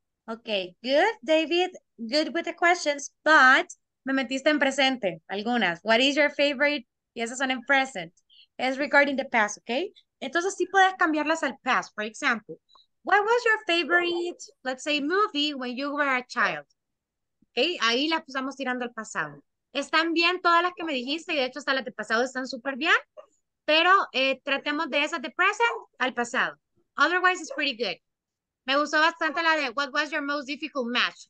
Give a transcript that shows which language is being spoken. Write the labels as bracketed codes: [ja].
[en] Okay, good, David. Good with the questions, but [es] me metiste en presente algunas. [en] What is your favorite? [es] Y esas son en [en] present. Es regarding the past, okay? [es] Entonces sí puedes cambiarlas al past. [en] For example, what was your favorite, let's say, movie when you were a child? [es] Okay, ahí las estamos tirando al pasado. Están bien todas las que me dijiste, y de hecho hasta las de pasado están súper bien, pero tratemos de esas de present al pasado. [en] Otherwise, it's pretty good. [es] Me gustó bastante la de [en] What was your most difficult match?